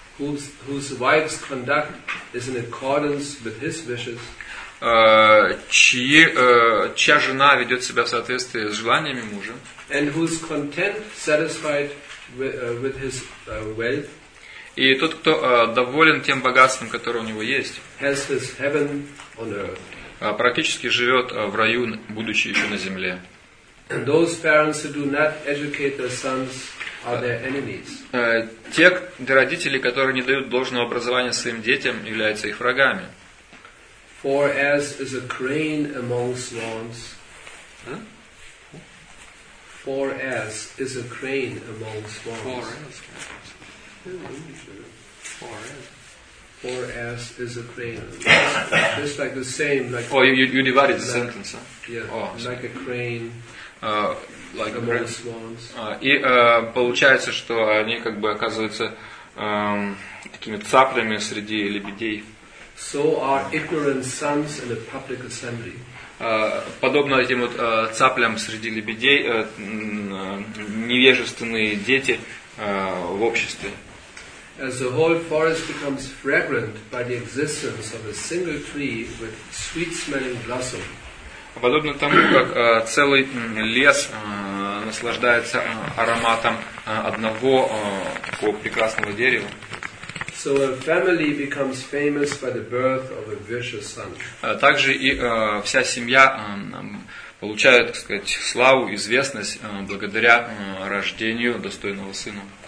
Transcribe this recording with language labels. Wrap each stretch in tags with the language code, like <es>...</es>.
<en>Whose wife's conduct is in accordance with his wishes.</en> <ru>Чья жена ведет себя в соответствии с желаниями мужа.</ru> <en>And whose content satisfied with his wealth.</en> <ru>И тот, кто доволен тем богатством, которое у него есть.</ru> <en>Has his heaven on earth.</en> <ru>Практически живет в раю, будучи еще на земле.</ru> <en>Those parents who do not educate their sons are their enemies.</en> <ru>Те родители, которые не дают должного образования своим детям, являются их врагами.</ru> <en>For as is a crane among swans. For as is a crane among swans. For as. For as is a crane. Just like the same. Like, oh, you divided the sentence. Huh? Yeah, oh, like a crane. Like among crane. Swans.</en> <ru>И получается, что они как бы оказываются такими цаплями среди лебедей.</ru> <en>So are ignorant sons in a public assembly.</en> <ru>Подобно этим вот цаплям среди лебедей, невежественные дети в обществе.</ru> <en>As the whole forest becomes fragrant by the existence of a single tree with sweet-smelling blossom.</en> <ru>Подобно тому, как целый лес наслаждается ароматом одного такого прекрасного дерева.</ru> <en>So a family becomes famous by the birth of a virtuous son.</en> <ru>Также и вся семья получает, так сказать, славу, известность благодаря рождению достойного сына.</ru>